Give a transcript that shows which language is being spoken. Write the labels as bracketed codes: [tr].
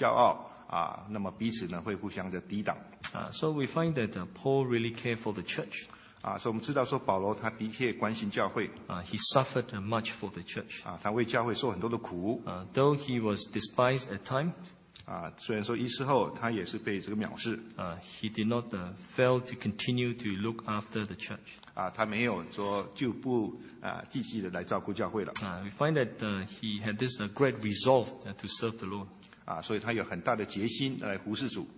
[zh] 那么不会说是保罗或是亚波罗其中有一个会自我骄傲，那么彼此呢会互相的抵挡。 [en] So we find that Paul really cared for the church. [zh] 所以我们知道说保罗他的确关心教会。 [en] He suffered much for the church. [zh] 他为教会受很多的苦。 [en] Though he was despised at times. [zh] 虽然说一时候他也是被这个藐视。 [en] He did not fail to continue to look after the church. [zh] 他没有说就不积极的来照顾教会了。 [en] We find that he had this great resolve to serve the Lord. [zh] 所以他有很大的决心来服侍主。